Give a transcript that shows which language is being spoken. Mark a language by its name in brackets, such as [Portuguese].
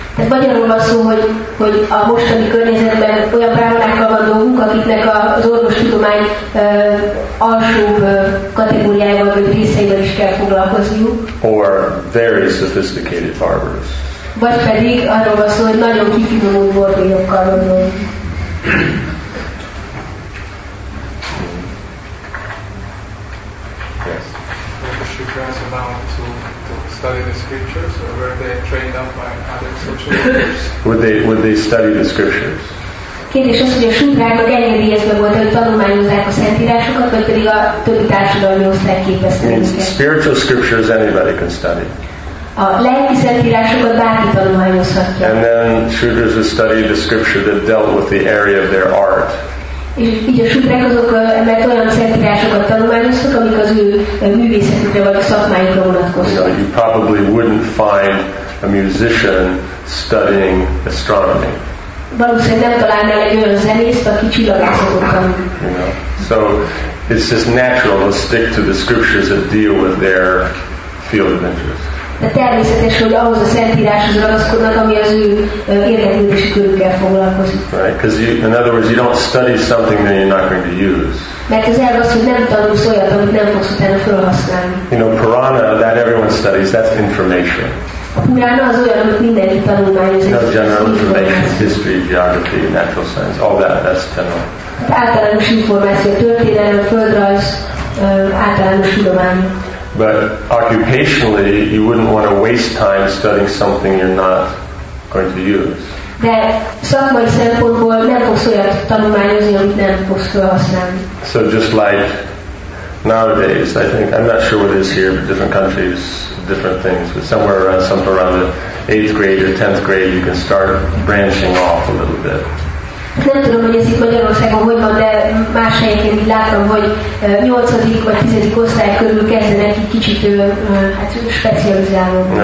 [Hungarian] Tehát magyarul van szó, hogy a mostani környezetben olyan brahmanákkal van dolgunk, akiknek az orvostudomány alsóbb kategóriájával vagy részeivel is kell foglalkozniuk. [English] Or very sophisticated barbers. [Hungarian] Vagy pedig arról van szó, hogy nagyon kifinomult borbélyokkal gondolunk. [English] Yes. Were the Shudras allowed to study the scriptures, or were they trained up by other social workers? Would they study the scriptures? [Hungarian] Kérdés az, hogy a Shudráknak engedélyezve volt, hogy tanulmányozzák a szentírásokat, vagy pedig a többi társadalmi osztály képezte őket. [English] Spiritual scriptures anybody can study. [Hungarian] A lelki szentírásokat bárki tanulmányozhatja. [English] And then shudras would study the scripture that dealt with the area of their art. [Hungarian] És így a shudrák azok emellett olyan szentírásokat tanulmányoztak, amik az ő művészetükre vagy szakmájukra vonatkoztak. [English] You probably wouldn't find a musician studying astronomy. [Hungarian] Valószínűleg nem találnál egy olyan zenészt, aki csillagászatot tanul. [English] So it's just natural to stick to the scriptures that deal with their field of interest. [Hungarian] De természetes, hogy ahhoz a szentíráshoz ragaszkodnak, ami az ő érdeklődési körükkel foglalkozik. [English] Right, because in other words, you don't study something that you're not going to use. [Hungarian] Mert az elv az, hogy nem tanulsz olyat, amit nem fogsz utána felhasználni. [English] You know, Purana, that everyone studies, that's information. [Hungarian] A Purana az olyan, amit mindenki tanulmányoz. [English] No, general information, history, geography, natural science, all that, that's general. [Hungarian] Általános információ, történelem, földrajz, általános tudomány. [English] But occupationally, you wouldn't want to waste time studying something you're not going to use. [Hungarian] De szakmai szempontból nem fogsz olyat tanulmányozni, amit nem fogsz felhasználni. [English] So just like nowadays, I think, I'm not sure what it is here, but different countries, different things, but somewhere around the 8th grade or 10th grade, you can start branching off a little bit. [Hungarian] Nem tudom, hogy ez itt Magyarországon hogy van, de más helyeként látom, hogy 8. vagy 10. osztály körül kezdenek egy kicsit specializálódni.